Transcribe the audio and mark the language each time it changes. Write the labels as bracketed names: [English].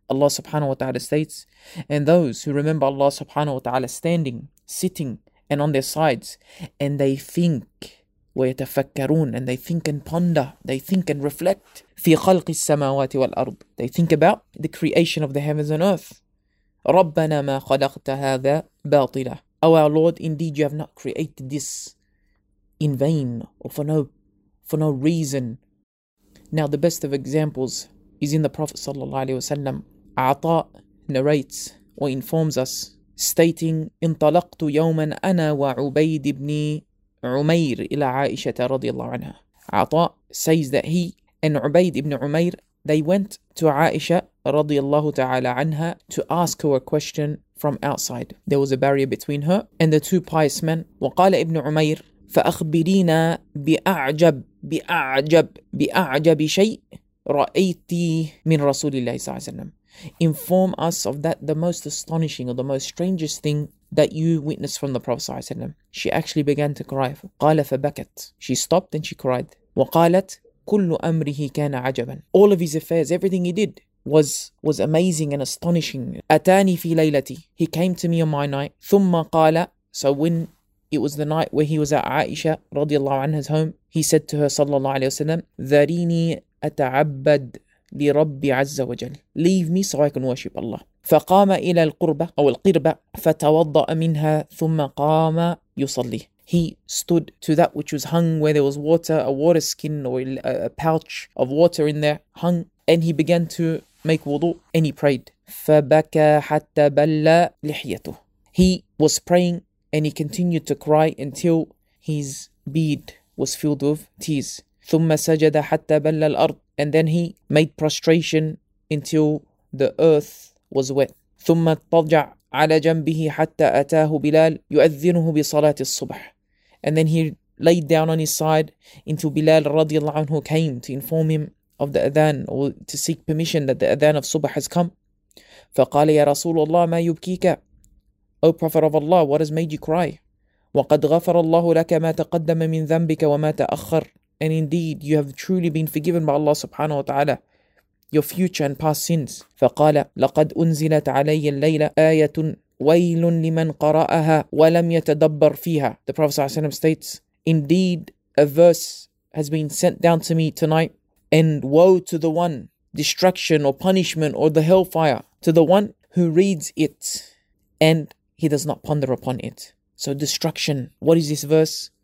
[English] Allah subhanahu wa ta'ala states, and those who remember Allah subhanahu wa ta'ala standing, sitting, and on their sides, and they think, ويتفكرون, and they think and ponder, they think and reflect, [Arabic] في خلق السماوات والأرض, [English] they think about the creation of the heavens and earth, [Arabic] ربنا ما خلقت هذا باطلا, [English] oh our Lord, indeed you have not created this in vain, or for no reason. Now the best of examples is in the Prophet sallallahu alaihi wasallam. [Arabic] عطاء [English] narrates or informs us, stating [Arabic] انطلقت يوما أنا وعبيد ابني عمير إلى عائشة رضي الله عنها. [English] عطاء says that he and عبيد ابن عمير, they went to عائشة رضي الله تعالى عنها to ask her a question from outside. There was a barrier between her and the two pious men. [Arabic] وقال ابن عمير فأخبرينا بأعجب شيء رأيتي من رسول الله صلى الله عليه وسلم. [English] Inform us of that the most astonishing or the most strangest thing that you witnessed from the Prophet ﷺ. She actually began to cry. [Arabic] قَالَ فَبَكَتْ. [English] She stopped and she cried. [Arabic] وَقَالَتْ كُلُّ أَمْرِهِ كَانَ عَجَبًا. [English] All of his affairs, everything he did was amazing and astonishing. [Arabic] أَتَانِي فِي لَيْلَتِي. [English] He came to me on my night. [Arabic] ثُمَّ قَالَ. [English] So when it was the night where he was at Aisha رضي الله عنها's home, he said to her صلى الله عليه وسلم, [Arabic] ذَرِينِي أَتَعَبَّدْ لِرَبِّ عَزَّ وَجَلْ. [English] Leave me so I can worship Allah. [Arabic] فقام إلى القربة أو القربة فتوضأ منها ثم قام يصلي. [English] He stood to that which was hung where there was water, a water skin or a pouch of water in there hung, and he began to make wudu and he prayed. [Arabic] فبكى حتى بلى لحيته. [English] He was praying and he continued to cry until his beard was filled with tears. [Arabic] ثم سجد حتى بلى الأرض. [English] And then he made prostration until the earth was wet. [Arabic] ثم اضطجع على جنبه حتى أتاه بلال يؤذنه بصلاة الصبح. [English] And then he laid down on his side until Bilal رضي الله عنه came to inform him of the adhan or to seek permission that the adhan of subh has come. [Arabic] فقال يا رسول الله ما يبكيك. [English] O Prophet of Allah, what has made you cry? [Arabic] وقد غفر الله لك ما تقدم من ذنبك وما تأخر. [English] And indeed, you have truly been forgiven by Allah subhanahu wa ta'ala, your future and past sins. [Arabic] فقال لقد أنزلت علي الليلة آية ويل لمن قرأها ولم يتدبر فيها. [English] The Prophet sallallahu alaihi wasallam states, indeed, a verse has been sent down to me tonight, and woe to the one, destruction or punishment or the hellfire, to the one who reads it and he does not ponder upon it. So destruction, what is this verse?